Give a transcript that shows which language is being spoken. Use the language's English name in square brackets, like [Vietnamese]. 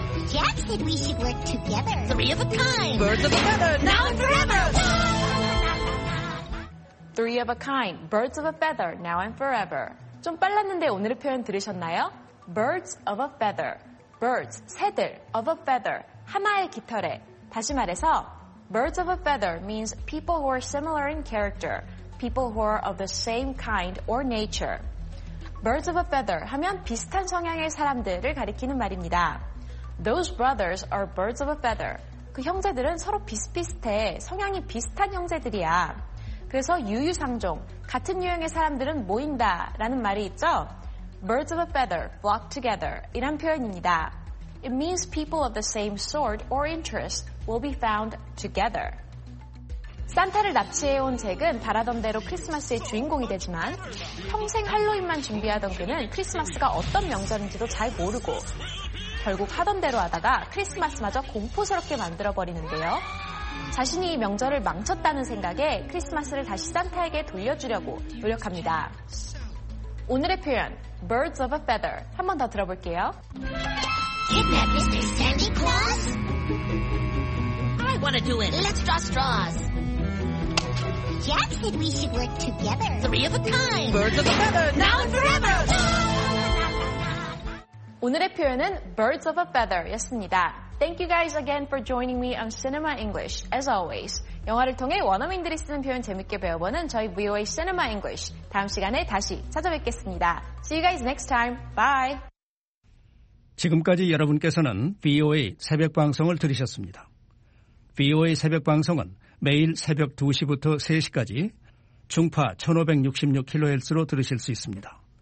[English] Jack said we should work together. Three of a kind. Birds of a Feather, now and forever. Three of a kind, birds of a feather, now and forever. [Korean] 좀 빨랐는데 오늘의 표현 들으셨나요? [English] Birds of a feather. Birds, [Korean] 새들, [English] of a feather, [Korean] 하나의 깃털에. 다시 말해서, [English] birds of a feather means people who are similar in character, people who are of the same kind or nature. Birds of a feather [Korean] 하면 비슷한 성향의 사람들을 가리키는 말입니다. [English] Those brothers are birds of a feather. [Korean] 그 형제들은 서로 비슷비슷해, 성향이 비슷한 형제들이야. 그래서 유유상종, 같은 유형의 사람들은 모인다 라는 말이 있죠. [English] Birds of a feather flock together [Korean] 이란 표현입니다. [English] It means people of the same sort or interest will be found together. [Korean] 산타를 납치해온 잭은 바라던 대로 크리스마스의 주인공이 되지만 평생 할로윈만 준비하던 그는 크리스마스가 어떤 명절인지도 잘 모르고 결국 하던 대로 하다가 크리스마스마저 공포스럽게 만들어버리는데요. 자신이 이 명절을 망쳤다는 생각에 크리스마스를 다시 산타에게 돌려주려고 노력합니다. 오늘의 표현, [English] birds of a feather. [Korean] 한 번 더 들어볼게요. [English] Kidnap Mr. Sandy Claus? I want to do it. Let's draw straws. Jack said we should work together. Three of a kind. Birds of a feather, now and forever. [Korean] 오늘의 표현은 [English] birds of a feather [Korean] 였습니다. [English] Thank you guys again for joining me on Cinema English. As always, [Korean] 영화를 통해 원어민들이 쓰는 표현 재밌게 배워보는 저희 VOA Cinema English. 다음 시간에 다시 찾아뵙겠습니다. [English] See you guys next time. Bye. [Korean] 지금까지 여러분께서는 VOA 새벽 방송을 들으셨습니다. VOA 새벽 방송은 매일 새벽 2시부터 3시까지 중파 1566kHz로 들으실 수 있습니다.